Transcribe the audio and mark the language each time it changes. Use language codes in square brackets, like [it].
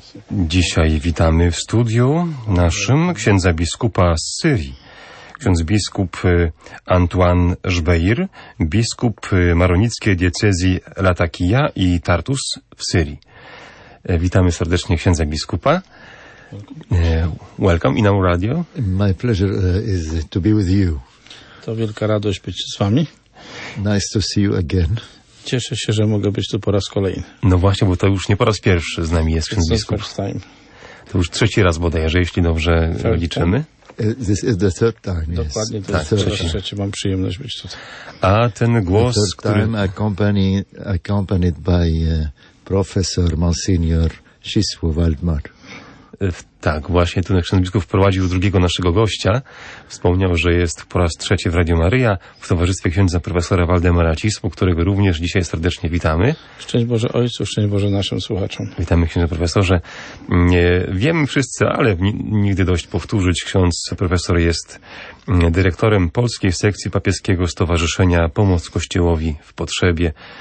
[pl] Dzisiaj witamy w studiu naszym księdza biskupa z Syrii, ksiądz biskup Antoine Jbeir, biskup maronickiej diecezji Latakia i Tartus w Syrii. Witamy serdecznie księdza biskupa. [en] Welcome in our radio. My pleasure is to be with you. [pl] To wielka radość być z wami. [en] Nice to see you again. [pl] Cieszę się, że mogę być tu po raz kolejny. No właśnie, bo to już nie po raz pierwszy z nami jest ksiądz biskup. [en] First time. [pl] To już trzeci raz bodajże, jeśli dobrze liczymy. [en] This is the third time. [pl] Dokładnie, [en] yes. [pl] to jest trzeci. Mam przyjemność być tutaj. A ten głos, [en] the third time, [pl] który [en] accompanied by Professor Monsignor Shisu Waldmar. [pl] Tak, właśnie tu ksiądz biskup wprowadził drugiego naszego gościa. Wspomniał, że jest po raz trzeci w Radio Maryja w towarzystwie księdza profesora Waldemara Cisłu, którego również dzisiaj serdecznie witamy. Szczęść Boże Ojcu, szczęść Boże naszym słuchaczom. Witamy księdza profesorze. Wiemy wszyscy, ale nigdy dość powtórzyć, ksiądz profesor jest dyrektorem Polskiej Sekcji Papieskiego Stowarzyszenia Pomoc Kościołowi w Potrzebie.